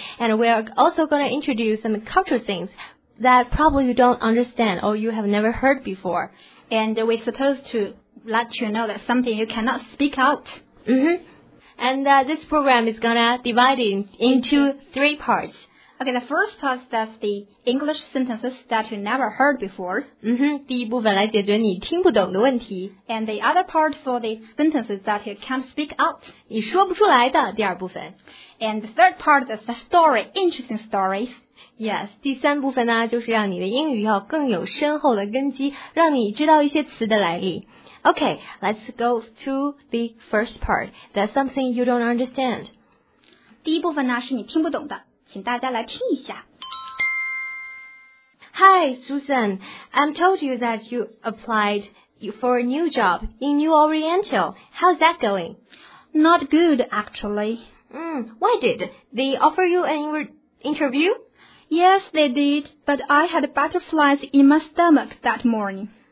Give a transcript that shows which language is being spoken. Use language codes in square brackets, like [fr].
[en] And we're also going to introduce some cultural things that probably you don't understand or you have never heard before. And we're supposed to let you know that something you cannot speak out. And this program is going to divide it into three parts. Okay, the first part, that's the English sentences that you never heard before. [zh] 第一部分来解决你听不懂的问题。 [en] And the other part for the sentences that you can't speak out. [zh] 你说不出来的第二部分。 [en] And the third part is the story, interesting stories. Yes, [zh] 第三部分呢就是让你的英语要更有深厚的根基，让你知道一些词的来历。 [en] Okay, let's go to the first part. That's something you don't understand. [zh] 第一部分呢是你听不懂的。请大家来听一下。 [en] Hi, Susan. I'm told you that you applied for a new job in New Oriental. How's that going? Not good, actually. Why did they offer you an interview? Yes, they did, but I had butterflies in my stomach that morning.